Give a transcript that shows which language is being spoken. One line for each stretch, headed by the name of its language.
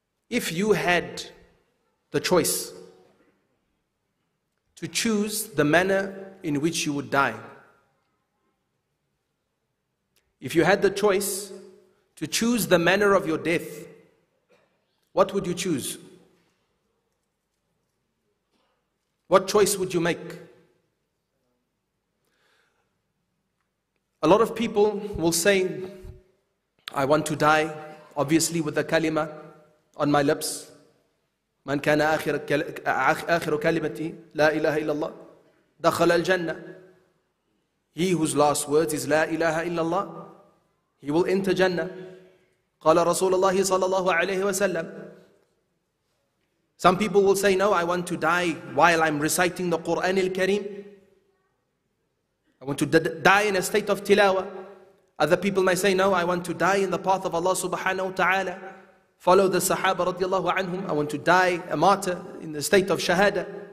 English: If you had the choice to choose the manner in which you would die, if you had the choice to choose the manner of your death, what would you choose? What choice would you make? A lot of people will say, I want to die, obviously with the kalima on my lips.
Arabic: من كان آخر كلمتي لا إله إلا الله دخل الجنة.
English: He whose last words is
Arabic: لا إله إلا الله,
English: he will enter Jannah.
Arabic: قال رسول الله صلى الله عليه وسلم.
English: Some people will say, no, I want to die while I'm reciting the Qur'an al-Kareem. I want to die in a state of tilawa. Other people may say, no, I want to die in the path of Allah subhanahu wa ta'ala. Follow the sahaba radiallahu anhum. I want to die a martyr in the state of shahada.